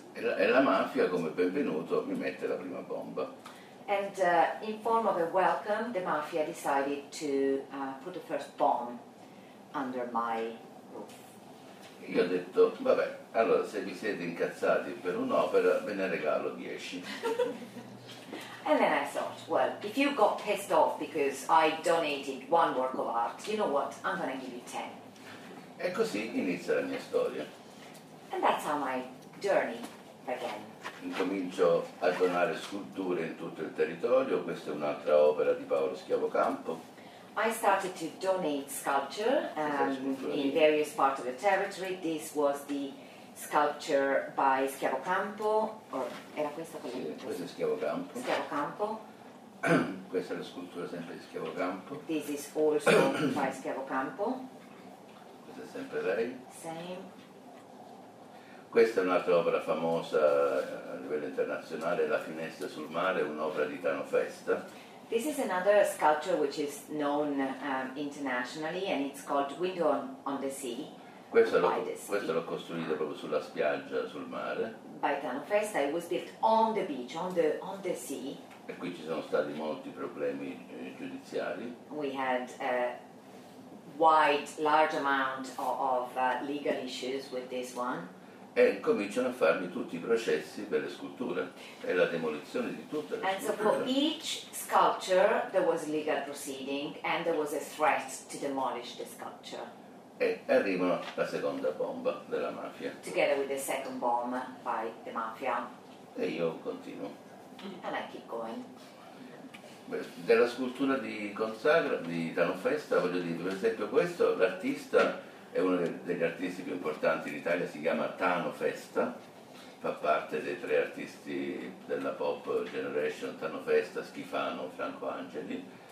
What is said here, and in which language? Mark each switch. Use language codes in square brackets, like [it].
[it] E la mafia, come benvenuto, mi mette la prima bomba. [en] And in form of a welcome, the mafia decided to put the first bomb under my roof. [it] Io ho detto, vabbè, allora se vi siete incazzati per un'opera, ve ne regalo 10. [en] And then I thought, well, if you got pissed off because I donated one work of art, you know what, I'm going to give you 10. [it] E così inizia la mia storia. [en] And that's how my journey began. [it] Incomincio a donare sculture in tutto il territorio, questa è un'altra opera di Paolo Schiavocampo. [en] I started to donate sculpture in various parts of the territory. This was the sculpture by Schiavocampo, or [it] era questa quella? Sì, questa è Schiavocampo. Schiavocampo. Questa è la scultura sempre di Schiavocampo. [en] This is also by Schiavocampo. [it] Questa è sempre lei. [en] Same. [it] Questa è un'altra opera famosa a livello internazionale, La finestra sul mare, un'opera di Tano Festa. [en] This is another sculpture which is known internationally and it's called Window on the Sea. [it] Questo l'ho costruito proprio sulla spiaggia, sul mare. [en] By Tano Festa, it was built on the beach, on the sea. [it] E qui ci sono stati molti problemi giudiziari. [en] We had a large amount of legal issues with this one. [it] E cominciano a farmi tutti i processi per le sculture e la demolizione di tutte le [en] sculture. And so for each sculpture there was a legal proceeding and there was a threat to demolish the sculpture. [it] E arrivano la seconda bomba della mafia. [en] Together with the second bomb by the mafia. [it] E io continuo. [en] And I keep going. [it] Della scultura di Consagra, di Tano Festa, voglio dire, per esempio questo, l'artista è uno degli artisti più importanti in Italia, si chiama Tano Festa, fa parte dei tre artisti della pop generation, Tano Festa, Schifano, Franco Angeli.